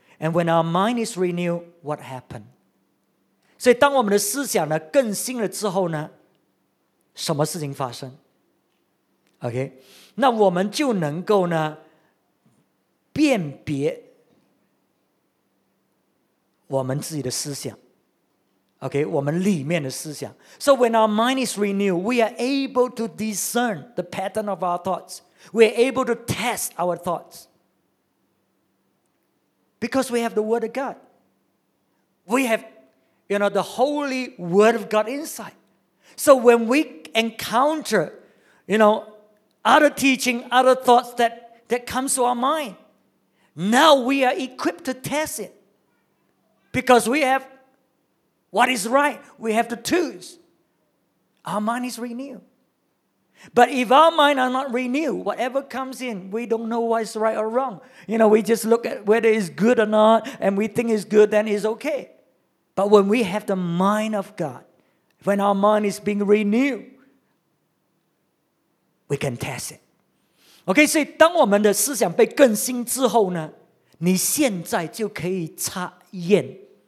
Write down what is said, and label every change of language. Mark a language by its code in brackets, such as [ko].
[en] And when our mind is renewed, what happened? [zh] 所以当我们的思想呢更新了之后呢，什么事情发生？ OK, 那我们就能够呢辨别我们自己的思想。 Okay, 我们里面的思想. [en] So when our mind is renewed, we are able to discern the pattern of our thoughts. We are able to test our thoughts. Because we have the Word of God. We have, you know, the Holy Word of God inside. So when we encounter, you know, other teaching, other thoughts that comes to our mind, now we are equipped to test it. Because we have what is right, we have to choose. Our mind is renewed. But if our mind are not renewed, whatever comes in, we don't know what is right or wrong. You know, we just look at whether it's good or not, and we think it's good, then it's okay. But when we have the mind of God, when our mind is being renewed, we can test it. [zh] Okay, 所以当我们的思想被更新之后呢，你现在就可以查验。